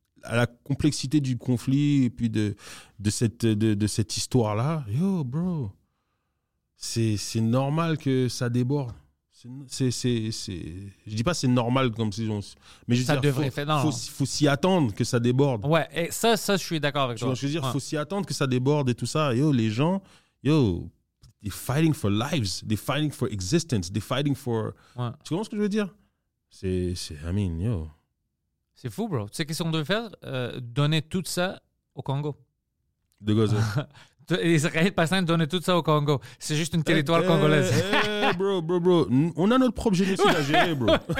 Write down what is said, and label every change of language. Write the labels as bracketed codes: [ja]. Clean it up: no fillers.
[fr] À la complexité du conflit, et puis de cette histoire-là. Yo, bro. C'est normal que ça déborde. C'est je dis pas c'est normal comme si on mais je ça dire, devrait faire faut s'y attendre que ça déborde. Ouais, et ça je suis d'accord avec toi. Je veux dire ouais. Faut s'y attendre que ça déborde et tout ça. [en] Yo les gens, yo they're fighting for lives, they're fighting for existence, they're fighting for [fr] ouais. Tu comprends ce que je veux dire? C'est [en] I mean, [fr] yo. C'est fou, bro. Tu sais qu'est-ce qu'on devait faire? Donner tout ça au Congo. De Gaza. Israël passant donner tout ça au Congo. C'est juste une territoire congolaise. Bro. On a notre propre génocide à gérer, bro.